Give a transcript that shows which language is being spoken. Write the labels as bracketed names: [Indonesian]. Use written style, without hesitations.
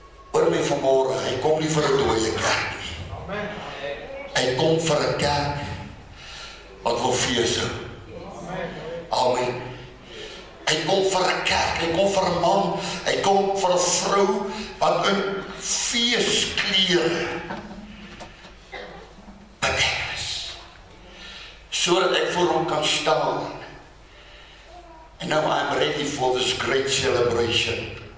[Afrikaans] Hoor my vanmôre, hy kom nie vir 'n dooie kerk nie. Hy kom vir 'n kerk wat wil fees hou. Amen. Hy kom vir 'n kerk, hy kom vir 'n man, hy kom vir 'n vrou wat in feeskleere bedek is. So dat ek voor hom kan staan. [English] And now I'm ready for this great celebration.